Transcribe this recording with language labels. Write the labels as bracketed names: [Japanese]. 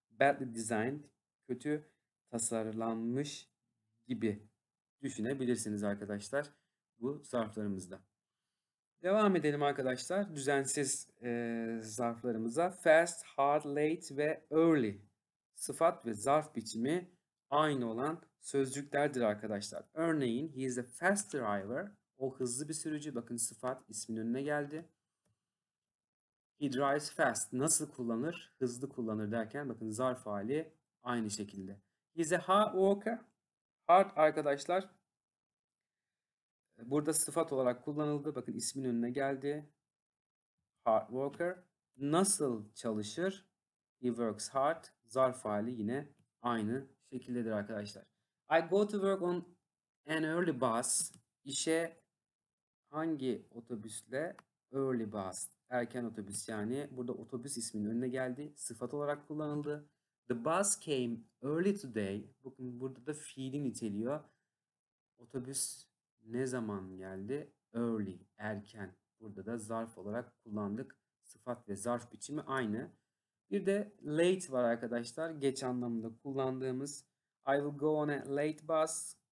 [Turkish] Badly designed, kötü tasarlanmış gibi düşünebilirsiniz arkadaşlar bu zarflarımızda. Devam edelim arkadaşlar düzensiz zarflarımıza. Fast, hard, late ve early sıfat ve zarf biçimi aynı olan sözcüklerdir arkadaşlar. [English] Örneğin, he is a fast driver. [Turkish] O hızlı bir sürücü. Bakın sıfat ismin önüne geldi. He drives fast. Nasıl kullanır? Hızlı kullanır derken bakın zarf hali aynı şekilde. [English] He is a hard worker. Hard arkadaşlar. Burada sıfat olarak kullanıldı. [Turkish] Bakın ismin önüne geldi. Hard worker. Nasıl çalışır? He works hard. Zarf hali yine aynı şekildedir arkadaşlar. [English] I go to work on an early bus. [Turkish] İşe hangi otobüsle? Early bus. Erken otobüs yani. Burada otobüs isminin önüne geldi. Sıfat olarak kullanıldı. [English] The bus came early today. [Turkish] Bakın burada da fiili niteliyor. Otobüs ne zaman geldi? Early, erken. Burada da zarf olarak kullandık. Sıfat ve zarf biçimi aynı. Bir de late var arkadaşlar. Geç anlamında kullandığımız. I will go on a late bus.